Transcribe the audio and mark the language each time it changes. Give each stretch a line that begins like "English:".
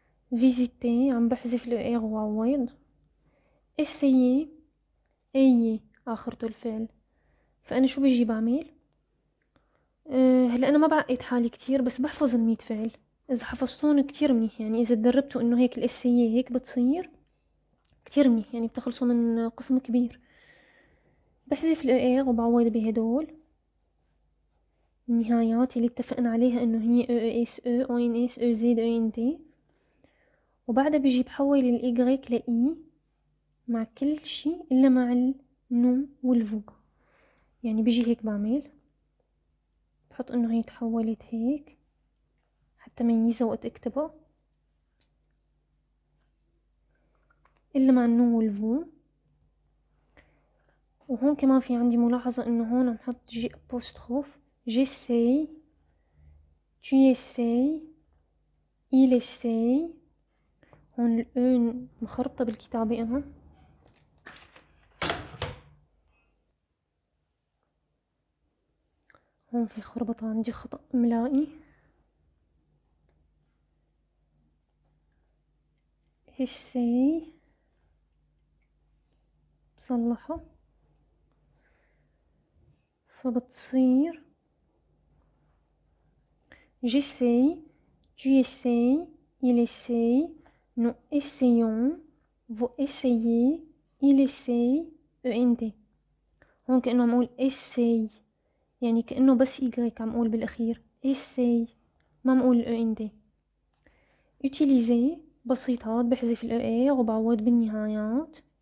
Arabic: فيزيتي عم بحذف الإير وعوض. إسيي إيي آخرته الفعل، فأنا شو بجي بعمل؟ هلأ أنا ما بعقد حالي كتير بس بحفظ الميت فعل، إذا حفظتون كتير منيح، يعني إذا تدربتوا إنه هيك الإسيي هيك بتصير كتير منيح، يعني بتخلصوا من قسم كبير. بحذف الـ ER وبعوض بهدول النهايات اللي اتفقنا عليها انه هي E E S E O N S E Z E N T. وبعدها بيجي بحول الـ Y لـ E مع كل شي إلا مع النو والفو، يعني بيجي هيك بعمل، بحط انه هي تحولت هيك حتى ميزة وقت اكتبه إلا مع النو والفو. وهون كمان في عندي ملاحظة إنه هون عم حط جي أبوستروف. جيساي تيساي إيليساي. هون الأون مخربطة بالكتابة أنا. هون في خربطة، عندي خطأ إملائي. هيساي صلحه، فبتصير
French: j'essaye tu essayes il essaye nous essayons vous essayez il essaye end.
Arabic: هون كأنه عم اقول essay، يعني كأنه بس y عم اقول بالاخير essay ما عم اقول end. utiliser بسيطات بحذف ال e وبعوض بالنهايات.